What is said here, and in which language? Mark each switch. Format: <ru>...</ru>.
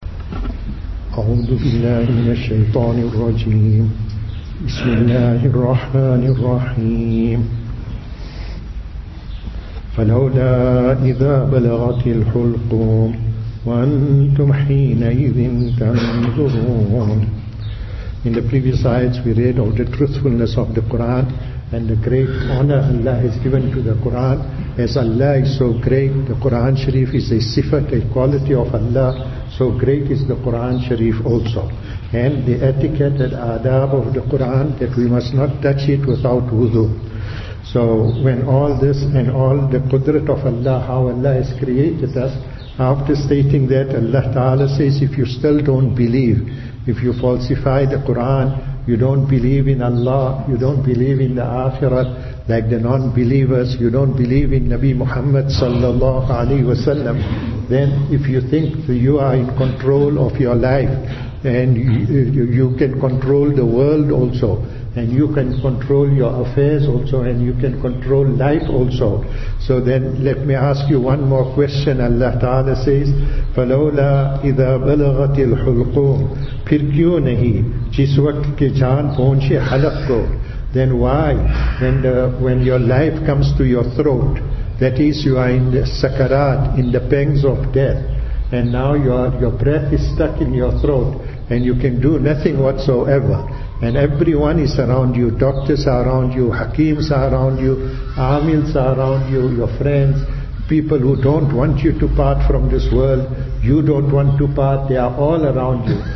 <ar>أعوذ بالله من الشيطان الرجيم. بسم الله الرحمن الرحيم. فلولا إذا بلغت الحلقوم وأنتم حينئذ تنظرون.</ar> <en>In the previous ayats we read of the truthfulness of the Quran and the great honor Allah has given to the Quran. As Allah is so great, the Quran Sharif is a sifat, a quality of Allah, so great is the Quran Sharif also. And the etiquette and adab of the Quran that we must not touch it without wudu. So when all this and all the qudrat of Allah, how Allah has created us, after stating that, Allah Ta'ala says, if you still don't believe, if you falsify the Quran, you don't believe in Allah, you don't believe in the Akhirat, like the non-believers, you don't believe in Nabi Muhammad sallallahu alaihi wasallam, then if you think you are in control of your life, and you can control the world also, and you can control your affairs also, and you can control life also. So then let me ask you one more question. Allah Ta'ala says,</en> <ar>فَلَوْلَا إِذَا بَلَغَتِ الْحُلْقُونَ</ar> <ur>پھر کیوں نہیں جس وقت کے جان پہنچے حلق کو.</ur> <en>Then why, when your life comes to your throat, that is, you are in the sakarat, in the pangs of death, and now your breath is stuck in your throat, and you can do nothing whatsoever. And everyone is around you, doctors are around you, hakims are around you, amils are around you, your friends, people who don't want you to part from this world, you don't want to part, they are all around you.</en>